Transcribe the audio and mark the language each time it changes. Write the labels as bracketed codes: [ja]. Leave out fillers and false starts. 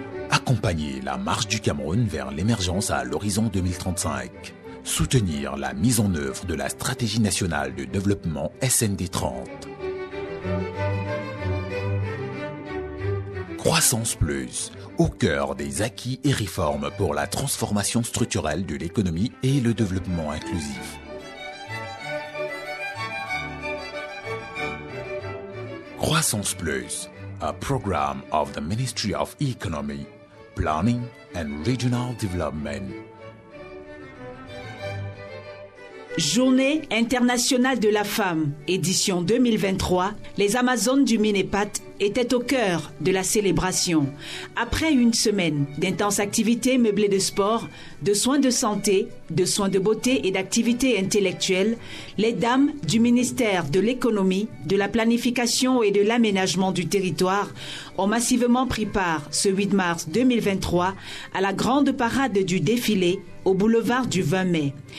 [fr] accompagner la marche du Cameroun vers l'émergence à l'horizon 2035, soutenir la mise en œuvre de la stratégie nationale de développement SND 30. Croissance Plus, au cœur des acquis et réformes pour la transformation structurelle de l'économie et le développement inclusif. [en] Croissance Plus, a program of the Ministry of Economy, Planning and Regional Development. [fr] Journée internationale de la femme, édition 2023, les Amazones du Minépat étaient au cœur de la célébration. Après une semaine d'intenses activités meublées de sport, de soins de santé, de soins de beauté et d'activités intellectuelles, les dames du ministère de l'économie, de la planification et de l'aménagement du territoire ont massivement pris part ce 8 mars 2023 à la grande parade du défilé au boulevard du 20 mai.